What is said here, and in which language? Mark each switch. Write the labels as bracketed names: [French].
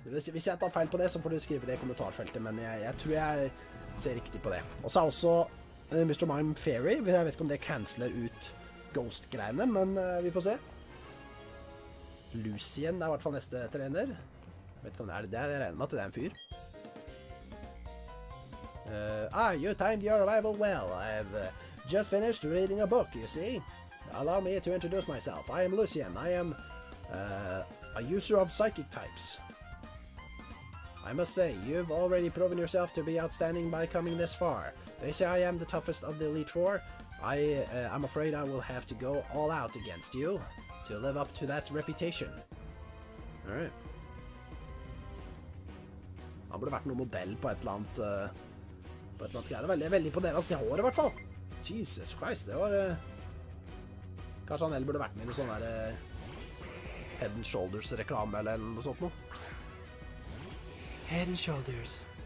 [Norwegian] Hvis jeg tar feil på det, så får du skrive det i kommentarfeltet, men jeg tror jeg ser riktig på det. Og så er også Mr. Mime Fairy, jeg vet ikke om det canceler ut Ghost-greiene, men vi får se. Lucien er i hvert fall neste trener. Vet du hva det er? Jeg regner med at det er en fyr. [English] You timed your arrival well. I've just finished reading a book, you see. Allow me to introduce myself. I am Lucien. I am a user of psychic types. I must say, you've already proven yourself to be outstanding by coming this far. They say I am the toughest of the Elite Four. I'm afraid I will have to go all out against you to live up to that reputation. All right. [Norwegian] Han burde vært noen modell på et eller annet, greie. Veldig, veldig på deres år i hvert fall. Jesus Christ, det var... Kanskje han heller burde vært med i noen sånne der... Head & Shoulders-reklame eller noe sånt nå. Head & Shoulders.